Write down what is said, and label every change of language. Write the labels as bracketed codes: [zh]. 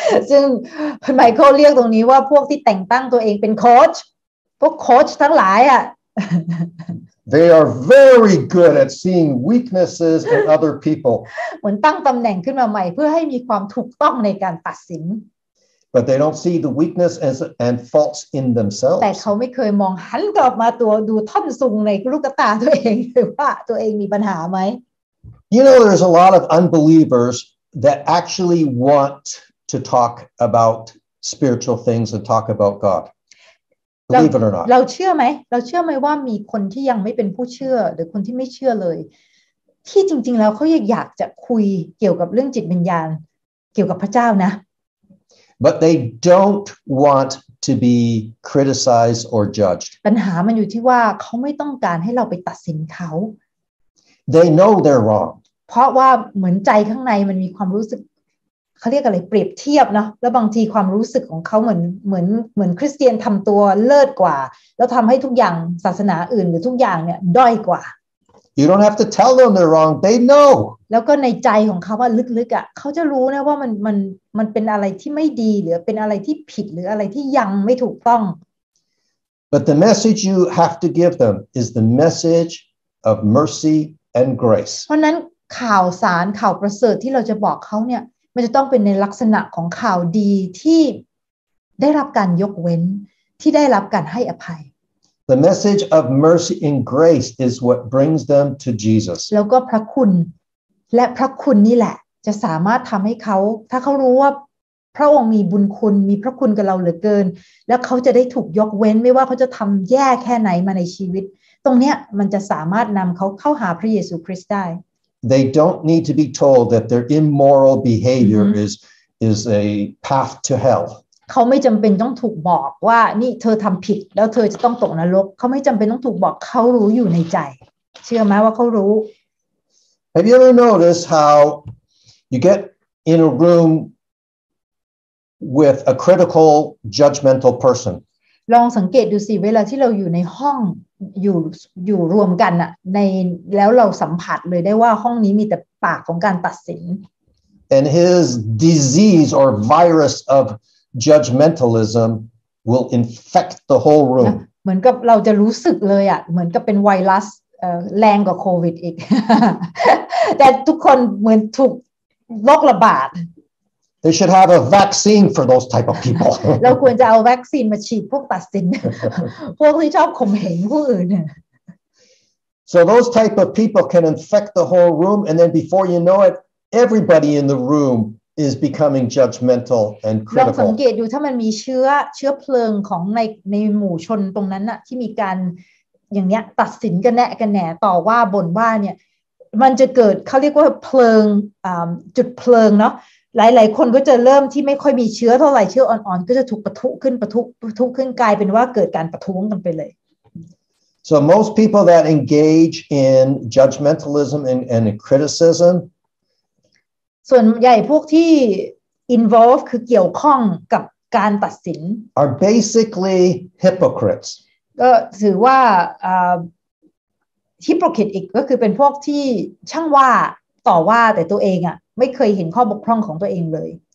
[th] ซึ่งไมเคิลเรียกตรงนี้ว่าพวกที่แต่งตั้งตัวเองเป็นโค้ชพวกโค้ชทั้งหลายอ่ะ [en] They are very good at seeing weaknesses in other people. [th] เหมือนตั้งตำแหน่งขึ้นมาใหม่เพื่อให้มีความถูกต้องในการตัดสิน [en] But they don't see the weakness and faults in themselves. [th] แต่เขาไม่เคยมองหันกลับมาตัวดูท่อนซุงในลูกตาตัวเองหรือว่าตัวเองมีปัญหาไหม [en] You know, there's a lot of unbelievers that actually want to talk about spiritual things and talk about God. [th] เราเชื่อไหมว่ามีคนที่ยังไม่เป็นผู้เชื่อหรือคนที่ไม่เชื่อเลยที่จริงๆแล้วเขาอยากจะคุยเกี่ยวกับเรื่องจิตวิญญาณเกี่ยวกับพระเจ้านะ [en] But they don't want to be criticized or judged. [th] ปัญหามันอยู่ที่ว่าเขาไม่ต้องการให้เราไปตัดสินเขา [en] They know they're wrong. [th] เพราะว่าเหมือนใจข้างในมันมีความรู้สึกเขาเรียกอะไรเปรียบเทียบเนาะแล้วบางทีความรู้สึกของเขาเหมือนคริสเตียนทำตัวเลิศกว่าแล้วทำให้ทุกอย่างศาสนาอื่นหรือทุกอย่างเนี่ยด้อยกว่า [en] You don't have to tell them they're wrong they know [th] แล้วก็ในใจของเขาว่าลึกๆอ่ะเขาจะรู้นะว่ามันเป็นอะไรที่ไม่ดีหรือเป็นอะไรที่ผิดหรืออะไรที่ยังไม่ถูกต้อง [en] But the message you have to give them is the message of mercy and grace [th] เพราะนั้นข่าวสารข่าวประเสริฐที่เราจะบอกเขาเนี่ยมันจะต้องเป็นในลักษณะของข่าวดีที่ได้รับการยกเว้นที่ได้รับการให้อภัย [en] The message of mercy and grace is what brings them to Jesus [th] แล้วก็พระคุณและพระคุณนี่แหละจะสามารถทำให้เขาถ้าเขารู้ว่าพระองค์มีบุญคุณมีพระคุณกับเราเหลือเกินแล้วเขาจะได้ถูกยกเว้นไม่ว่าเขาจะทำแย่แค่ไหนมาในชีวิตตรงเนี้ยมันจะสามารถนำเขาเข้าหาพระเยซูคริสต์ได้ [en] They don't need to be told that their immoral behavior mm-hmm. is is a path to hell. [th] เขาไม่จำเป็นต้องถูกบอกว่านี่เธอทำผิดแล้วเธอจะต้องตกนรกเขาไม่จำเป็นต้องถูกบอกเขารู้อยู่ในใจเชื่อไหมว่าเขารู้ [en] Have you ever noticed how you get in a room with a critical, judgmental person? [th] ลองสังเกตดูสิเวลาที่เราอยู่ในห้องอยู่รวมกันน่ะในแล้วเราสัมผัสเลยได้ว่าห้องนี้มีแต่ปากของการตัดสิน [en] And his disease or virus of judgmentalism will infect the whole room [th] เหมือนกับเราจะรู้สึกเลยอ่ะเหมือนกับเป็นไวรัสแรงกว่าโควิดอีกแต่ทุกคนเหมือนถูกโรคระบาด [en] They should have a vaccine for those type of people. [th] เราควรจะเอาวัคซีนมาฉีดพวกตัดสินพวกที่ชอบข่มเหงผู้อื่น [en] So those type of people can infect the whole room, and then before you know it, everybody in the room is becoming judgmental and critical. [th] ลองสังเกตดูถ้ามันมีเชื้อเพลิงของในหมู่ชนตรงนั้นน่ะที่มีการอย่างเนี้ยตัดสินกันแหนะกันแหนะต่อว่าบ่นว่าเนี่ยมันจะเกิดเขาเรียกว่าเพลิงจุดเพลิงเนาะหลายๆคนก็จะเริ่มที่ไม่ค่อยมีเชื้อเท่าไหร่เชื้ออ่อนๆก็จะถูกปะทุขึ้นกลายเป็นว่าเกิดการปะท้วงกันไปเลย [en] So most people that engage in judgmentalism and criticism [th] ส่วนใหญ่พวกที่ involve คือเกี่ยวข้องกับการตัดสิน [en] are basically hypocrites [th] ก็ถือว่าhypocrite อีกก็คือเป็นพวกที่ช่างว่าต่อว่าแต่ตัวเองอะไม่เคยเห็นข้อบกพร่องของตัวเองเลย